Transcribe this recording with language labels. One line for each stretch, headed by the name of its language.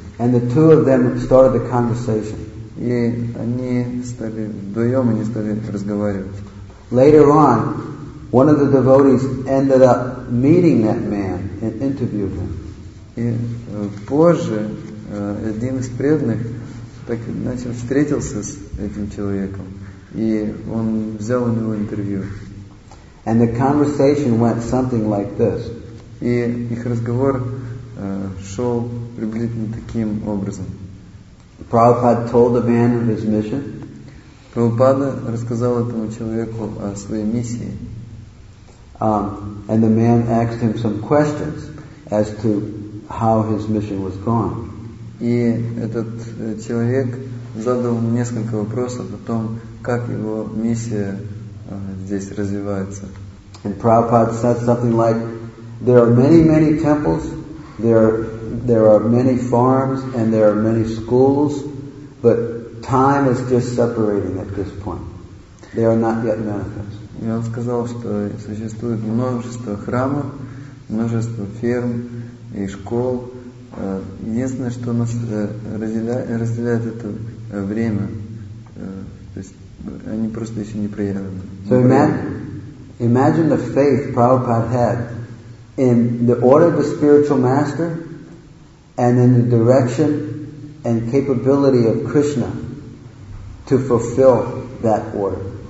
English: And the two of them started the conversation.
Russian: И они стали вдвоем, они стали разговаривать.
English: Later on, one of the devotees ended up meeting that man and interviewed him.
Russian: И позже один из преданных так начал встретился с этим человеком, и он взял у него интервью.
English: And the conversation went something like this.
Russian: И их разговор шел приблизительно таким образом.
English: Prabhupada told the man of his mission.
Russian: Прабхупада рассказал этому человеку о своей миссии.
English: And the man asked him some questions as to how his mission was gone.
Russian: И этот человек задал ему несколько вопросов о том, как его миссия здесь развивается.
English: And Prabhupada said something like, there are many, many temples, there are many farms, and there are many schools, but time is just separating at this point. They are not yet manifest.
Russian: И он сказал, что существует множество храмов, множество ферм и школ. Единственное, что нас разделяет это время, то есть они просто еще не проявлены.
English: So imagine the faith Prabhupada had in the order of the spiritual master and in the direction and capability of Krishna to fulfill that order.